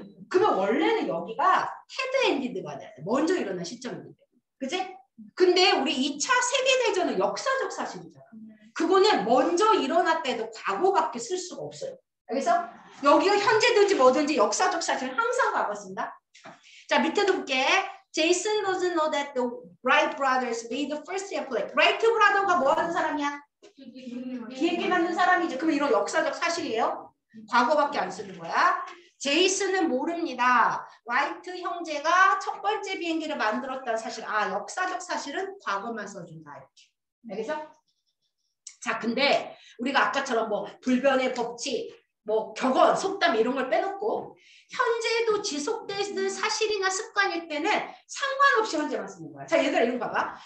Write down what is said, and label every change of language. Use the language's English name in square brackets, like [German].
[Korean] 그러면 원래는 여기가 헤드엔디드가 돼야 돼. 먼저 일어난 시점인데. 그지? 근데 우리 2차 세계대전은 역사적 사실이잖아. 그거는 먼저 일어났다 해도 과거밖에 쓸 수가 없어요. 여기서 여기가 현재든지 뭐든지 역사적 사실은 항상 과거 씁니다. 자, 밑에도 볼게. [English] Jason doesn't know that the Wright brothers made the first airplane. [Korean] Wright brother가 뭐 하는 사람이야? 비행기 만든 사람이죠. 그럼 이런 역사적 사실이에요? 과거밖에 안 쓰는 거야. 제이슨은 모릅니다. 라이트 형제가 첫 번째 비행기를 만들었다는 사실. 아, 역사적 사실은 과거만 써준다. 이렇게. 알겠어? 자, 근데 우리가 아까처럼 뭐 불변의 법칙, 뭐 격언, 속담 이런 걸 빼놓고 현재도 지속되는 사실이나 습관일 때는 상관없이 현재만 쓰는 거야. 자, 얘들아 이거 봐봐.